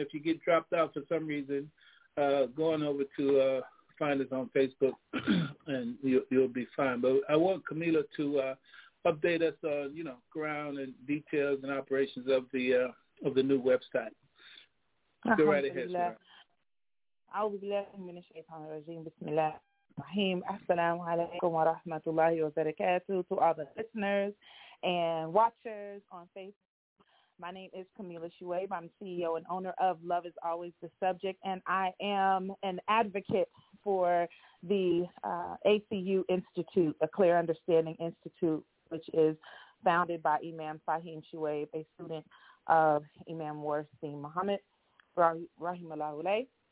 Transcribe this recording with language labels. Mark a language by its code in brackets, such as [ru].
[en] If you get dropped out for some reason, go on over to find us on Facebook, and you'll be fine. But I want Camila to update us on ground and details and operations of the new website. Go right ahead, sir. [ar] أعوذ بالله من الشيطان الرجيم بسم الله الرحيم السلام عليكم ورحمة الله وبركاته [en] to all the listeners and watchers on Facebook. My name is Camila Shueb. I'm CEO and owner of Love is Always the Subject, and I am an advocate for the ACU Institute, a Clear Understanding Institute, which is founded by Imam Fahim Shueb, a student of Imam Warsim Muhammad, Rahimullah Alayh.